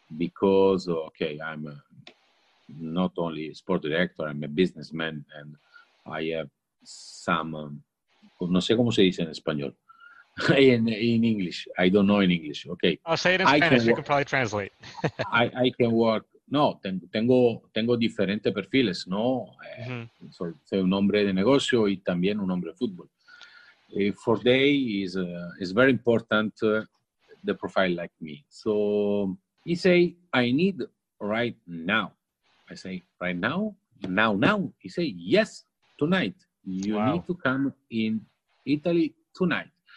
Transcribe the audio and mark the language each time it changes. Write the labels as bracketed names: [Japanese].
[English] Because, okay, I'm not only sport director, I'm a businessman, and I have some, [Spanish] no sé cómo se dice en español, [English] in English, I don't know in English, okay. I'll say it in Spanish, you can probably translate. I can work, [Spanish] no, tengo diferentes perfiles, no, soy un hombre de negocio y también un hombre de fútbol. [English] For day is very important, the profile like me. So he say, I need right now. I say, right now? Now? He say, yes, tonight. You need to come in Italy tonight.